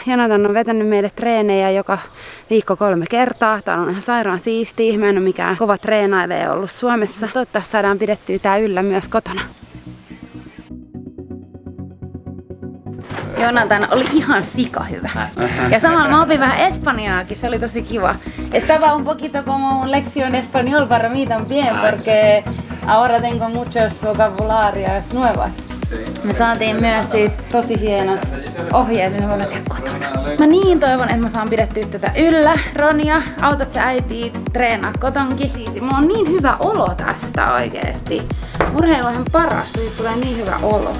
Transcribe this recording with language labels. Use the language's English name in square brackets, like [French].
[Finnish] Jonatan on vetänyt meille treenejä joka viikko 3 kertaa. Tää on ihan sairaan siistiä. Mä en oo mikään kova treenailee ollut Suomessa. Toivottavasti saadaan pidettyä tää yllä myös kotona. Jonatan oli ihan sika hyvä. Ja samalla mä opin vähän espanjaakin, se oli tosi kiva. [Spanish] Estaba un poquito como un lección español para mí también, porque ahora tengo muchos vocabularias nuevas. [Finnish] Me saatiin myös siis tosi hienot ohjeet, mitä voimme tehdä kotona. Mä niin toivon, että mä saan pidettyä tätä yllä. Ronja, autat sä äitiä treenaa kotonkin? Siis mulla on niin hyvä olo tästä oikeesti. Urheilu on ihan paras, siitä tulee niin hyvä olo.